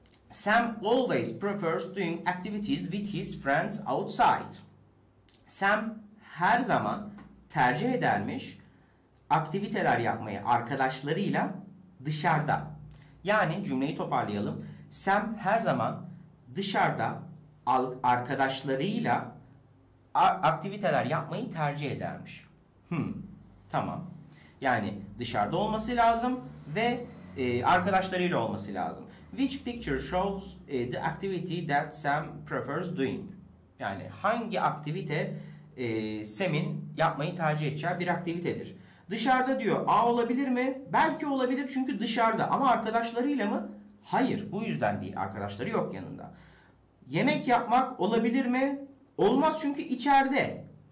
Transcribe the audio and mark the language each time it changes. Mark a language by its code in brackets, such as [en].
[en] Sam always prefers doing activities with his friends outside. [tr] Sam her zaman tercih edermiş aktiviteler yapmayı arkadaşlarıyla dışarıda. Yani cümleyi toparlayalım. Sam her zaman dışarıda arkadaşlarıyla aktiviteler yapmayı tercih edermiş. Tamam. Yani dışarıda olması lazım ve arkadaşlarıyla olması lazım. [en] Which picture shows the activity that Sam prefers doing? [tr] Yani hangi aktivite Sam'in yapmayı tercih edeceği bir aktivitedir? Dışarıda diyor. A olabilir mi? Belki olabilir çünkü dışarıda. Ama arkadaşlarıyla mı? Hayır. Bu yüzden değil. Arkadaşları yok yanında. Yemek yapmak olabilir mi? Olmaz çünkü içeride.